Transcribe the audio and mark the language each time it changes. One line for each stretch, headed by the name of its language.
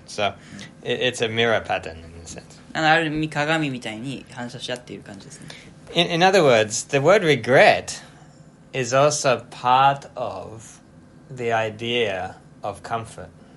English: So it's a mirror pattern in a sense.
Japanese: ある意味鏡みたいに反射し合っている感じですね。
English: In other words, the word regret is also part of the idea of comfort.